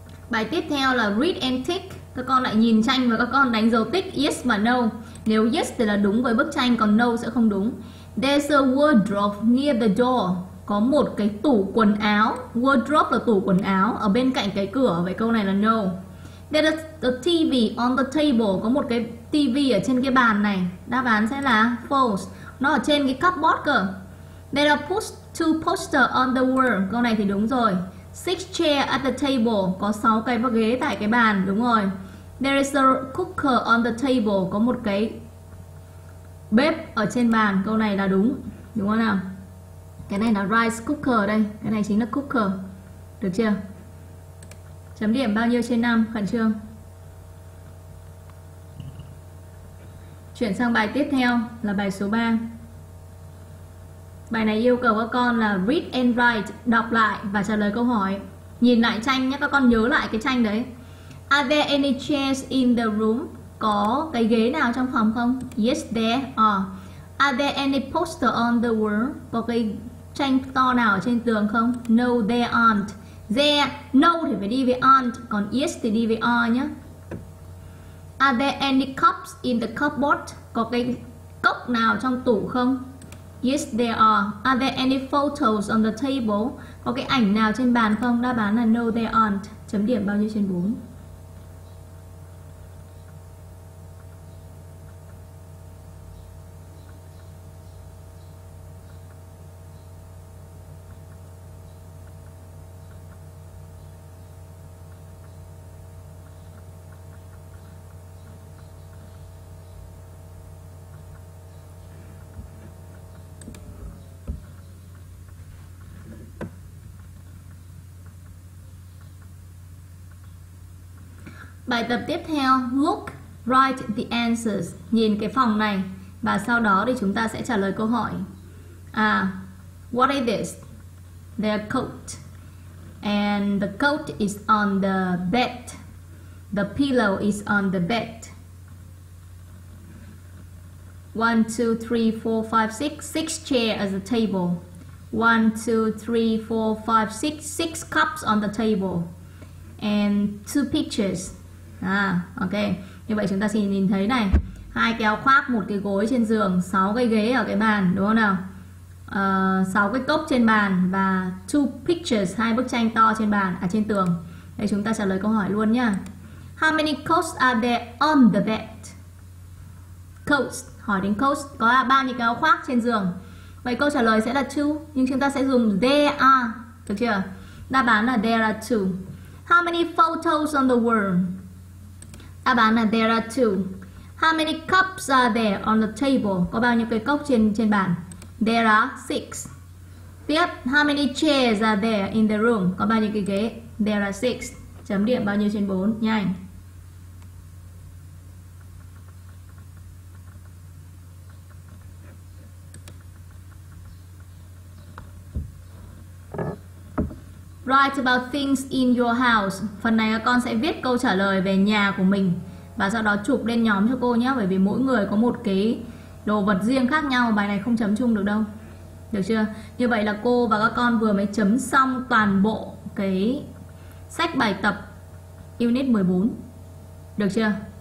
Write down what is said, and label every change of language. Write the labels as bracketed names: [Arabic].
[Vietnamese] Bài tiếp theo là [English] read and tick. [Vietnamese] Các con lại nhìn tranh và các con đánh dấu tick yes và no. Nếu yes thì là đúng với bức tranh, còn no sẽ không đúng. [English] There's a wardrobe near the door. [Vietnamese] Có một cái tủ quần áo. Wardrobe là tủ quần áo ở bên cạnh cái cửa. Vậy câu này là no. [English] There's a TV on the table. [Vietnamese] Có một cái TV ở trên cái bàn này. Đáp án sẽ là false. Nó ở trên cái cupboard cơ. [English] There are two posters on the wall. [Vietnamese] Câu này thì đúng rồi. [English] Six chair at the table. [Vietnamese] Có 6 cái ghế tại cái bàn. Đúng rồi. [English] There is a cooker on the table. [Vietnamese] Có một cái bếp ở trên bàn. Câu này là đúng. Đúng không nào? Cái này là rice cooker đây. Cái này chính là cooker. Được chưa? Chấm điểm bao nhiêu trên 5? Khẩn trương. Chuyển sang bài tiếp theo là bài số 3. Bài này yêu cầu các con là [English] read and write, [Vietnamese] đọc lại và trả lời câu hỏi. Nhìn lại tranh nhé, các con nhớ lại cái tranh đấy. [English] Are there any chairs in the room? [Vietnamese] Có cái ghế nào trong phòng không? [English] Yes, there are. Are there any poster on the wall? [Vietnamese] Có cái tranh to nào ở trên tường không? [English] No, there aren't. [Vietnamese] There, no thì phải đi với aren't, còn yes thì đi với are nhé. [English] Are there any cups in the cupboard? [Vietnamese] Có cái cốc nào trong tủ không? [English] Yes, there are. Are there any photos on the table? [Vietnamese] Có cái ảnh nào trên bàn không? Đáp án là [English] no, there aren't. [Vietnamese] Chấm điểm bao nhiêu trên 4? Bài tập tiếp theo, [English] look, write the answers. [Vietnamese] Nhìn cái phòng này và sau đó thì chúng ta sẽ trả lời câu hỏi. [English] À, what is this? Their coat. And the coat is on the bed. The pillow is on the bed. 1, 2, 3, 4, 5, 6. 6 chair as a table. 1, 2, 3, 4, 5, 6. 6 cups on the table. And 2 pictures. À, ok. [Vietnamese] Như vậy chúng ta sẽ nhìn thấy này, hai kéo khoác, một cái gối trên giường, 6 cái ghế ở cái bàn, đúng không nào? 6 cái cốc trên bàn và 2 pictures, hai bức tranh to trên bàn ở trên tường. Đây chúng ta trả lời câu hỏi luôn nhá. [English] How many coats are there on the bed? [Vietnamese] Coats, hỏi đến coats, có bao nhiêu cái áo khoác trên giường. Vậy câu trả lời sẽ là 2, nhưng chúng ta sẽ dùng [English] there are, [Vietnamese] được chưa? Đáp án là [English] there are 2. How many photos on the wall? [Vietnamese] Đáp án là [English] there are two. How many cups are there on the table? [Vietnamese] Có bao nhiêu cái cốc trên bàn? [English] There are six. Tiếp, how many chairs are there in the room? [Vietnamese] Có bao nhiêu cái ghế? [English] There are six. [Vietnamese] Chấm điểm bao nhiêu trên 4? Nhanh. [English] Write about things in your house. [Vietnamese] Phần này các con sẽ viết câu trả lời về nhà của mình. Và sau đó chụp lên nhóm cho cô nhé, bởi vì mỗi người có một cái đồ vật riêng khác nhau, bài này không chấm chung được đâu. Được chưa? Như vậy là cô và các con vừa mới chấm xong toàn bộ cái sách bài tập Unit 14. Được chưa?